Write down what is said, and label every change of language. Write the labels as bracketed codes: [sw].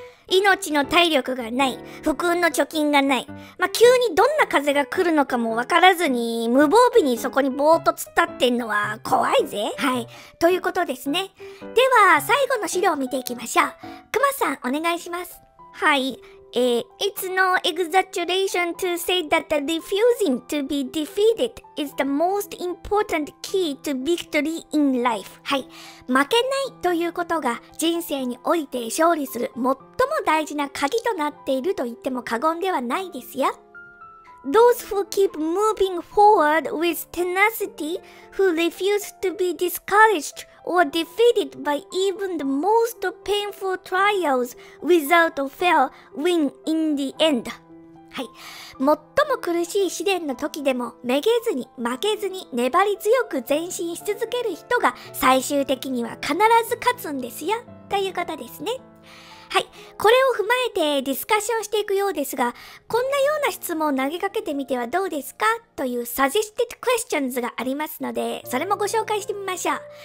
[ja] 命の体力がない、不運の貯金がない、急にどんな風が来るのかもわからずに無防備にそこにぼーっと突っ立ってんのは怖いぜ。はい、ということですね。では最後の資料を見ていきましょう。クマさん、お願いします。はい。 [en] It's no exaggeration to say that the refusing to be defeated is the most important key to victory in life. [ja] はい、負けないということが人生において勝利する最も大事な鍵となっていると言っても過言ではないですよ。 [en] Those who keep moving forward with tenacity, who refuse to be discouraged or defeated by even the most painful trials without fail win in the end. [ja] はい、最も苦しい試練の時でもめげずに負けずに粘り強く前進し続ける人が最終的には必ず勝つんですよ、ということですね。はい、これを踏まえてディスカッションしていくようですが、こんなような質問を投げかけてみてはどうですか、というサジェスティッドクエスチョンズがありますので、それもご紹介してみましょう。